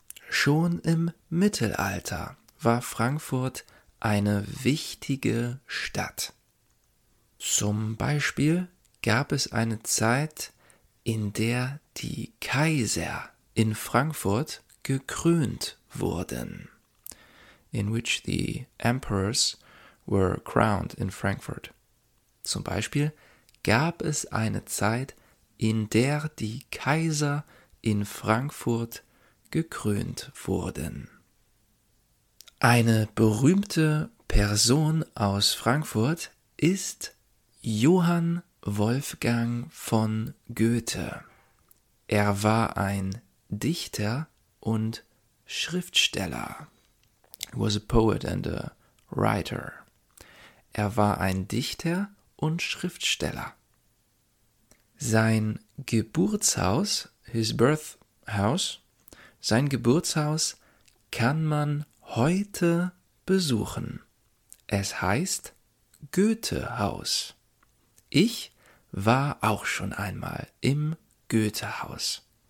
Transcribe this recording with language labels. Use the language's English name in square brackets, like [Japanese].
[German] Schon im Mittelalter war Frankfurt eine wichtige Stadt. Zum Beispiel gab es eine Zeit, in der die Kaiser in Frankfurt gekrönt wurden. [English] In which the emperors were crowned in Frankfurt. [German] Zum Beispiel gab es eine Zeit, in der die Kaiser in Frankfurt gekrönt wurden. Eine berühmte Person aus Frankfurt ist Johann Wolfgang von Goethe. Er war ein Dichter und Schriftsteller. [English] He was a poet and a writer. [German] Er war ein Dichter und Schriftsteller. Sein Geburtshaus, [English] his birth house, [German] sein Geburtshaus kann man heute besuchen. Es heißt Goethehaus. Ich war auch schon einmal im Goethehaus.